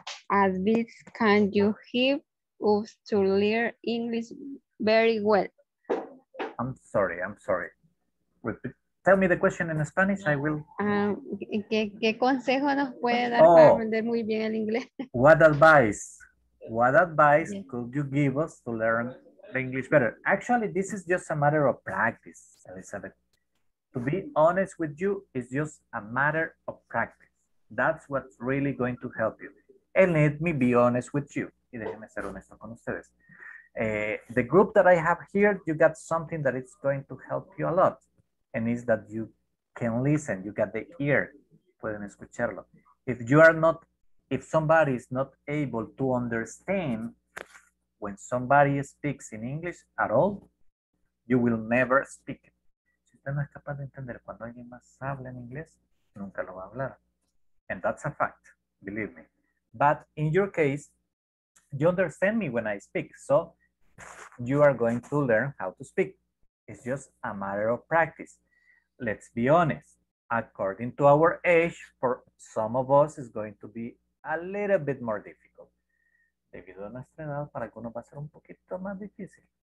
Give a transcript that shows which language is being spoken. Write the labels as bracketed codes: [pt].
[en] at this can you help us to learn English very well? I'm sorry. Repeat. Tell me the question in Spanish, I will. [es] ¿Qué consejo nos puede dar para aprender muy bien el inglés? [en] What advice yeah. could you give us to learn the English better? Actually, this is just a matter of practice, Elizabeth. To be honest with you, it's just a matter of practice. That's what's really going to help you. And let me be honest with you. [es] Y déjeme ser honesto con ustedes. [en] The group that I have here, you got something that is going to help you a lot. And is that you can listen, you got the ear, [es] pueden escucharlo. [en] If somebody is not able to understand when somebody speaks in English at all, you will never speak. [es] Si usted no es capaz de entender cuando alguien más habla en inglés, nunca lo va a hablar. [en] And that's a fact, believe me. But in your case, you understand me when I speak. So you are going to learn how to speak. It's just a matter of practice. Let's be honest, according to our age, for some of us, it's going to be a little bit more difficult. [es] Debido a nuestra edad, para algunos va a ser un poquito más difícil.